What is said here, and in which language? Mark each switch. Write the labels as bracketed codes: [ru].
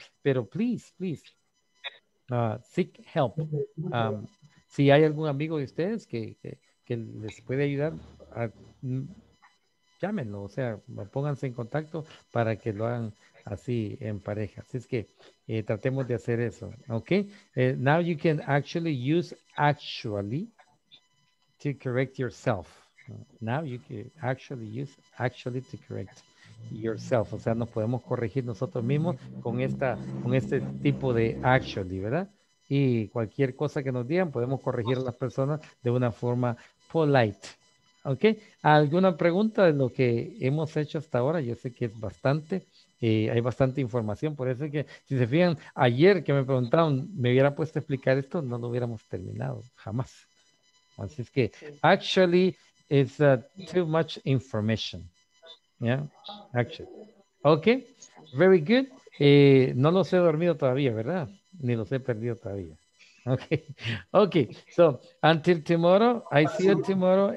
[es] Pero [en] please, seek help. [es] Si hay algún amigo de ustedes que les puede ayudar, llámenlo, o sea, pónganse en contacto para que lo hagan así en pareja. Así es que tratemos de hacer eso, ¿ok? [en] Now you can actually use actually to correct yourself. Now you can actually use actually to correct yourself, [es] o sea, nos podemos corregir nosotros mismos con esta, con este tipo de actually, ¿verdad? Y cualquier cosa que nos digan, podemos corregir a las personas de una forma polite, ¿ok? ¿Alguna pregunta de lo que hemos hecho hasta ahora? Yo sé que es bastante, hay bastante información, por eso es que, si se fijan, ayer que me preguntaron, ¿me hubiera puesto a explicar esto? No lo hubiéramos terminado, jamás. Así es que, [en] actually, it's too much information. Yeah, actually. Okay, very good. [es] No los he dormido todavía, ¿verdad? Ni los he perdido todavía. [en] Okay, okay. So until tomorrow, I see you tomorrow.